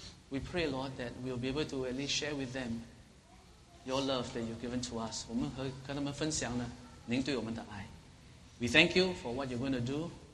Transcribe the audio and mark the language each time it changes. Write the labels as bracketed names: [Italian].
[English] We pray, Lord, that we will be able to at least share with them your love that you've given to us. [Chinese] 我们和跟他们分享呢，您对我们的爱。 [English] We thank you for what you're going to do.